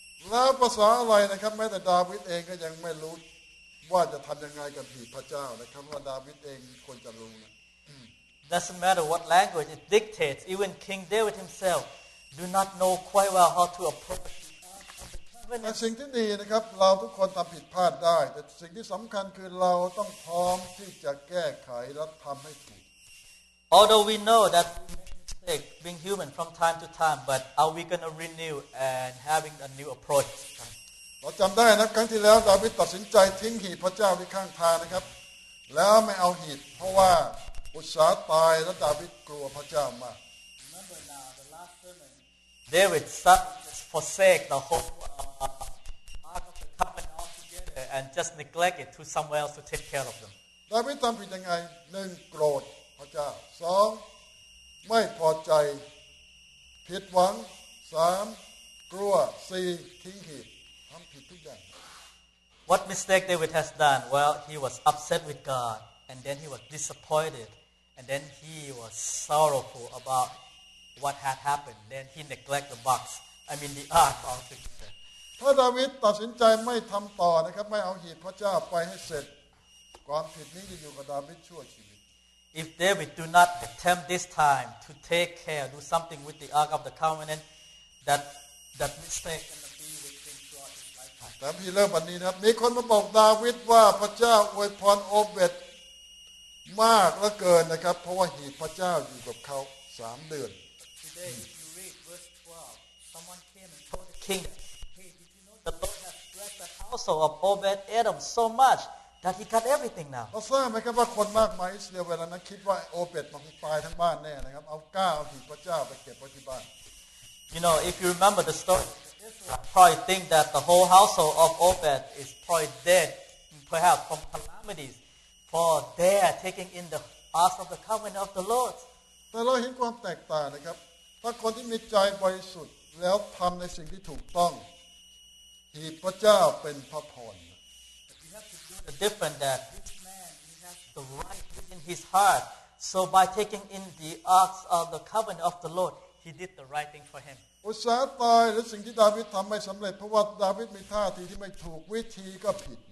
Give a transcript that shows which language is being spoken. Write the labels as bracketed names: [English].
[Thai] แล้วภาษาอะไรนะครับแม้แต่ดาวิดเองก็ยังไม่รู้ว่าจะทำยังไงกับผีพระเจ้านะครับว่าดาวิดเองควรจะรู้นะ [English] Doesn't matter what language it dictates even King David himself do not know quite well how to approach [Thai] สิ่งที่ดีนะครับเราทุกคนทำผิดพลาดได้แต่สิ่งที่สำคัญคือเราต้องพร้อมที่จะแก้ไขและทำให้ถูก [English] Although we know thatBeing human from time to time, but are we going to renew and having a new approach? [Thai] เ ราจำได้นะครั้งที่แล้วดาวิดตัดสินใจทิ้งหีบพระเจ้าไว้ข้างทางนะครับแล้วไม่เอาหีบเพราะว่าอุษาตายและดาวิดกลัวพระเจ้ามาก [English] Remember now the last sermon, David just forsake the whole ark of the covenant altogether and just neglect it to somewhere else to take care of them. [Thai] ดาวิดทำผิดยังไง 1. โกรธพระเจ้า 2. ไม่พอใจผิดหวัง3กลัว4ทิ้งหีบทำผิดทุกอย่าง [English] What mistake David has done? Well, he was upset with God and then he was disappointed and then he was sorrowful about what had happened. Then he neglected the box. I mean the ark of the covenant. [Thai] ถ้าดาวิดตัดสินใจไม่ทำต่อนะครับไม่เอาหีบพระเจ้าไปให้เสร็จความผิดนี้จะอยู่กับดาวิดชั่วชีวิต [English] If David do not attempt this time to take care, do something with the Ark of the Covenant, that mistake is going to be with him throughout his lifetime. [Thai] แต่พี่เริ่มวันนี้นะครับมีคนมาบอกดาวิดว่าพระเจ้าอวยพรโอเบดมากเหลือเกินนะครับเพราะว่าหีบพระเจ้าอยู่กับเขา3เดือน [English] Today, if you read verse 12, someone king. The Lord has blessed the household of Obed-Edom so much that he got everything now. [Thai] เพราะฉะนั้นไม่ใช่ว่าคนมากมายอิสราเอลเวลานั้นคิดว่าโอเบดมันไปทั้งบ้านแน่นะครับเอาก้าเอาหีบพระเจ้าไปเก็บไว้ที่บ้าน [English] You know, if you remember the story, probably think that the whole household of Obed is probably dead, perhaps from calamities, for they are taking in the ark of the covenant of the Lord. [Thai] แต่เราเห็นความแตกต่างนะครับถ้าคนที่มีใจบริสุทธิ์แล้วทำในสิ่งที่ถูกต้องหีบพระเจ้าเป็นพระพร [English] The difference that this man he has the right within his heart. So by taking in the ark of the covenant of the Lord, he did the right thing for him. Uzzah died, and the thing that David did not succeed because David had an attitude that was not right. The way was wrong.